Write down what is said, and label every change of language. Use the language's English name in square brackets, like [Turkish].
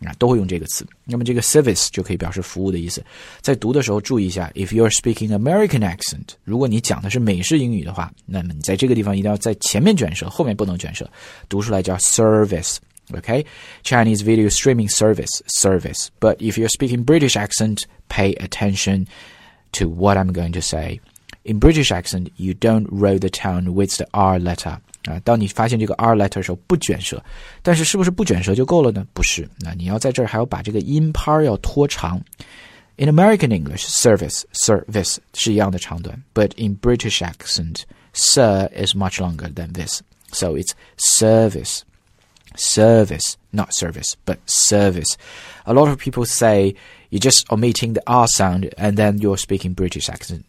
[Chinese] 都会用这个词。那么这个 service 就可以表示服务的意思。在读的时候注意一下， [English] if you're speaking American accent， [Chinese] 如果你讲的是美式英语的话，那么你在这个地方一定要在前面卷舌，后面不能卷舌，读出来叫 service。 [English] Okay, Chinese video streaming service, service. But if you're speaking British accent, pay attention to what I'm going to say. In British accent, you don't roll the tongue with the R letter. [Chinese] 当你发现这个 R letter 的时候不卷舌，但是是不是不卷舌就够了呢？不是，你要在这儿还要把这个音拍要拖长。 [English] In American English, service [Chinese] 是一样的长短 [English] but in British accent, sir is much longer than this. So it's service, not service, but service. A lot of people say you're just omitting the R sound and then you're speaking British accent.